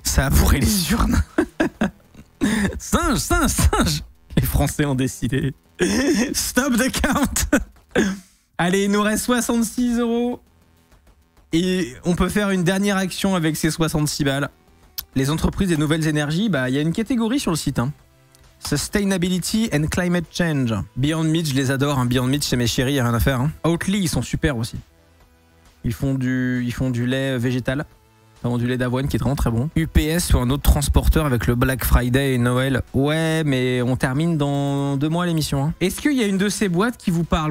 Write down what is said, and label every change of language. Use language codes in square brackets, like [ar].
[fr] Ça a bourré les urnes. Singe. Les Français ont décidé. [en] Stop the count. [fr] Allez, il nous reste 66 euros. Et on peut faire une dernière action avec ces 66 balles. Les entreprises des nouvelles énergies, bah, y a une catégorie sur le site. Hein. [en] Sustainability and Climate Change. [fr] Beyond Meat, je les adore. Hein. Beyond Meat, c'est mes chéris, y'a rien à faire. Hein. Oatly, ils sont super aussi. Ils font du lait végétal. Du lait d'avoine qui est vraiment très bon. UPS ou un autre transporteur avec le Black Friday et Noël. Ouais, mais on termine dans 2 mois l'émission. Hein. Est-ce qu'il y a une de ces boîtes qui vous parle?